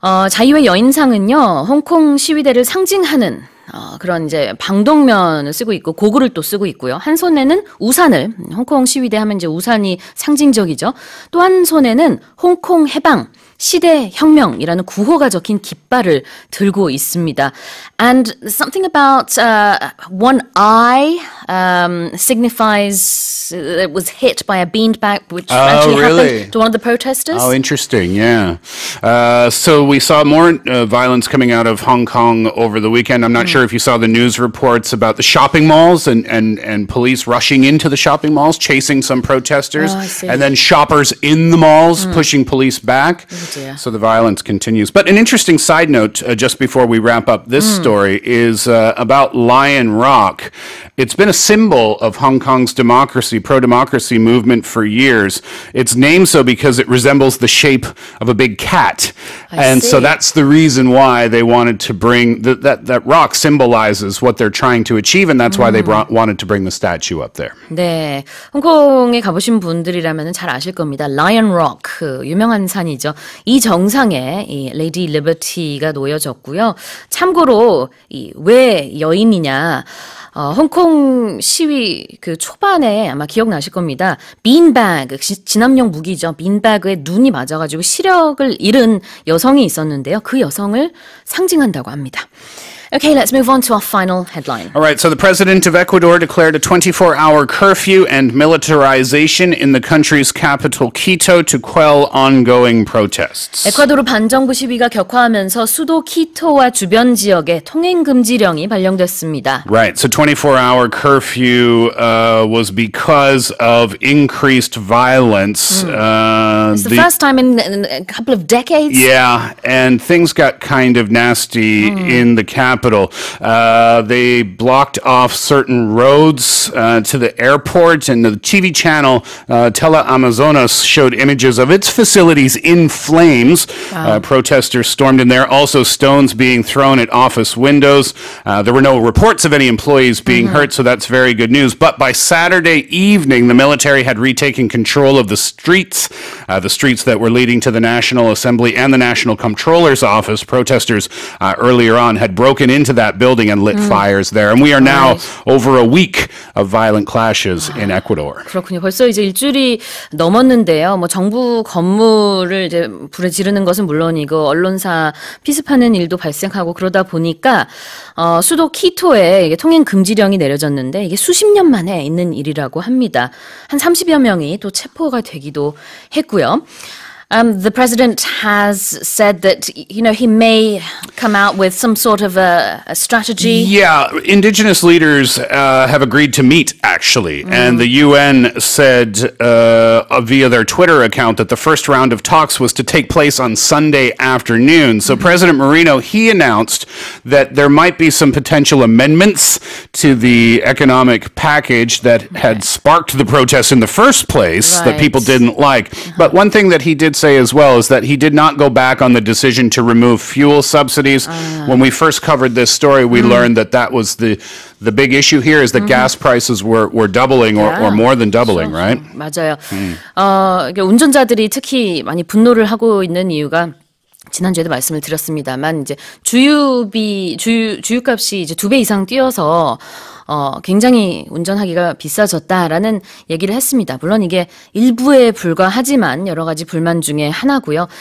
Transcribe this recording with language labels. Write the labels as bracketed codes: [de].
[ko] 자유의 여인상은요, 홍콩 시위대를 상징하는 그런 이제 방독면을 쓰고 있고 고글을 또 쓰고 있고요. 한 손에는 우산을 홍콩 시위대 하면 이제 우산이 상징적이죠. 또 한 손에는 홍콩 해방 시대 혁명이라는 구호가 적힌 깃발을 들고 있습니다. [en] And something about one eye signifies it was hit by a beanbag, which happened to one of the protesters. Oh, interesting. Yeah. So we saw more violence coming out of Hong Kong over the weekend. I'm not sure if you saw the news reports about the shopping malls and police rushing into the shopping malls, chasing some protesters, and then shoppers in the malls pushing police back. So the violence continues. But an interesting side note, just before we wrap up this story, is about Lion Rock. It's been a symbol of Hong Kong's democracy, pro-democracy movement for years. It's named so because it resembles the shape of a big cat. So that's the reason why they wanted to bring, that rock symbolizes what they're trying to achieve, and that's why they wanted to bring the statue up there. [ko] 네, 홍콩에 가보신 분들이라면 잘 아실 겁니다. Lion Rock, 유명한 산이죠. 이 정상에 이 레이디 리버티가 놓여졌고요. 참고로 이 왜 여인이냐? 홍콩 시위 그 초반에 아마 기억나실 겁니다. 빈백, 진압용 무기죠. 빈백에 눈이 맞아가지고 시력을 잃은 여성이 있었는데요. 그 여성을 상징한다고 합니다. [en] Okay, let's move on to our final headline. All right, so the president of Ecuador declared a 24-hour curfew and militarization in the country's capital, Quito, to quell ongoing protests. [ko] 에콰도르 반정부 시위가 격화하면서 수도 키토와 주변 지역에 통행금지령이 발령됐습니다. [en] Right, so 24-hour curfew was because of increased violence. It's the first time in a couple of decades. Yeah, and things got kind of nasty in the capital. They blocked off certain roads to the airport, and the TV channel Tele Amazonas showed images of its facilities in flames. Wow. Protesters stormed in there, also stones being thrown at office windows. There were no reports of any employees being hurt, so that's very good news. But by Saturday evening, the military had retaken control of the streets that were leading to the National Assembly and the National Comptroller's Office. Protesters earlier on had broken into that building and lit fires there. And we are now over a week of violent clashes in Ecuador. [ko] 그렇군요. 벌써 이제 일주일이 넘었는데요. 뭐 정부 건물을 이제 불에 지르는 것은 물론이고 언론사 피습하는 일도 발생하고 그러다 보니까 수도 키토에 이게 통행 금지령이 내려졌는데 이게 수십 년 만에 있는 일이라고 합니다. 한 30여 명이 또 체포가 되기도 했고요. [en] The president has said that, you know, he may come out with some sort of a strategy. Yeah, indigenous leaders have agreed to meet, actually. Mm. And the UN said via their Twitter account that the first round of talks was to take place on Sunday afternoon. So President Moreno, he announced that there might be some potential amendments to the economic package that had sparked the protests in the first place that people didn't like. But one thing that he did say as well is that he did not go back on the decision to remove fuel subsidies. When we first covered this story, we learned that that was the big issue here is that gas prices were doubling or more than doubling, sure. right? [ko] 맞아요. 운전자들이 특히 많이 분노를 하고 있는 이유가 지난주에도 말씀을 드렸습니다만 이제 주유값이 이제 두 배 이상 뛰어서 굉장히 운전하기가 비싸졌다라는 얘기를 했습니다. 물론 이게 일부에 불과하지만 여러 가지 불만 중에 하나고요.